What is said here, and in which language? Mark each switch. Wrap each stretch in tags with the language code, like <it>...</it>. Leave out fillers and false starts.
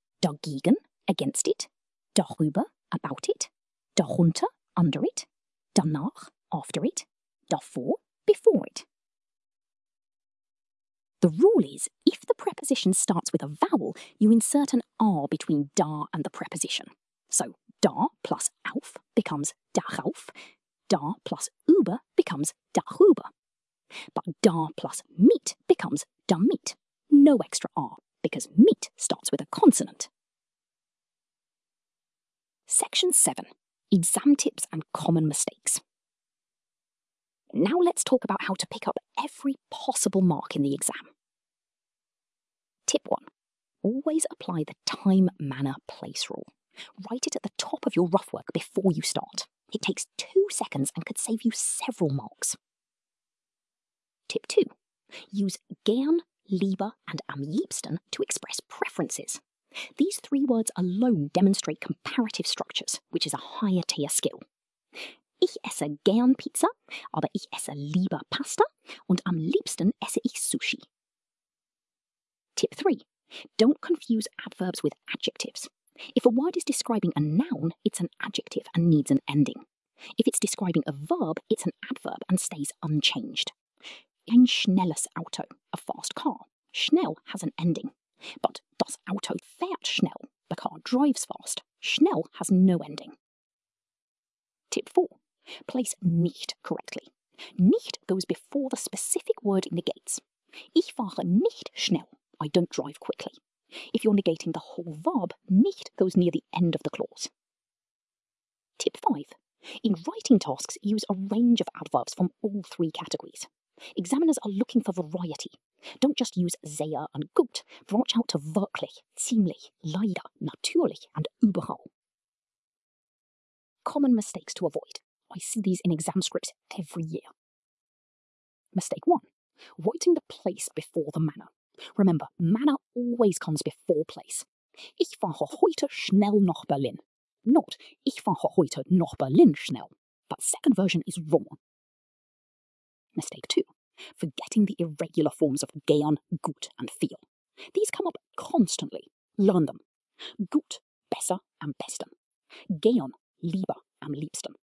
<en>Dagegen, against it. Darüber, about it. Darunter, under it. Danach, after it. Davor, before it. The rule is, if the preposition starts with a vowel, you insert an R between da and the preposition. So, da plus auf becomes darauf. Da plus über becomes darüber. But da plus mit becomes damit. No extra R, because mit starts with a consonant. Section 7. Exam tips and common mistakes. Now let's talk about how to pick up every possible mark in the exam. Tip 1. Always apply the time, manner, place rule. Write it at the top of your rough work before you start. It takes 2 seconds and could save you several marks. Tip 2. Use gern, lieber and am liebsten to express preferences. These three words alone demonstrate comparative structures, which is a higher tier skill.</en> <de>Ich esse gern Pizza, aber ich esse lieber Pasta und am liebsten esse ich Sushi.</de> <en>Tip 3. Don't confuse adverbs with adjectives. If a word is describing a noun, it's an adjective and needs an ending. If it's describing a verb, it's an adverb and stays unchanged.</en> <de>Ein schnelles Auto,</de> <en>a fast car. Schnell has an ending. But</en> <de>das Auto fährt schnell,</de> <en>the car drives fast. Schnell has no ending. Tip 4. Place nicht correctly. Nicht goes before the specific word negates.</en> <de>Ich fahre nicht schnell.</de> <en>I don't drive quickly. If you're negating the whole verb, nicht goes near the end of the clause. Tip 5. In writing tasks, use a range of adverbs from all three categories. Examiners are looking for variety. Don't just use sehr and gut. Branch out to wirklich, ziemlich, leider, natürlich and überall. Common mistakes to avoid. I see these in exam scripts every year. Mistake 1. Writing the place before the manner. Remember, manner always comes before place.</en> <de>Ich fahre heute schnell nach Berlin. Not, ich fahre heute nach Berlin schnell.</de> <en>But second version is wrong. Mistake 2. Forgetting the irregular forms of gern, gut and viel. These come up constantly. Learn them.</en> <de>Gut, besser, am besten. Gern, lieber, am liebsten.</de>